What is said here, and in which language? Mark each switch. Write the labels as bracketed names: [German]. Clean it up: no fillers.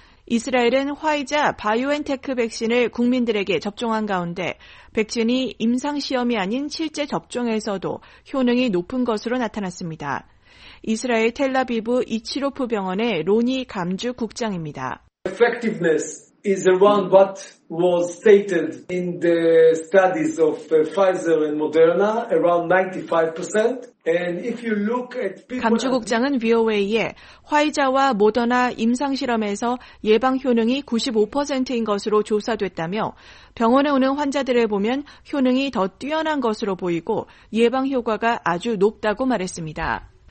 [Korean] 이스라엘은 화이자 바이오엔테크 백신을 국민들에게 접종한 가운데 백신이 임상시험이 아닌 실제 접종에서도 효능이 높은 것으로 나타났습니다. 이스라엘 텔라비브 이치로프 병원의 로니 감주 국장입니다. [English] Effectiveness is around what was stated in the studies of Pfizer and Moderna, around 95%. [Korean] 감주 국장은 VOA에 화이자와 모더나 임상실험에서 예방 효능이 95%인 것으로 조사됐다며 병원에 오는 환자들을 보면 효능이 더 뛰어난 것으로 보이고 예방 효과가 아주 높다고 말했습니다.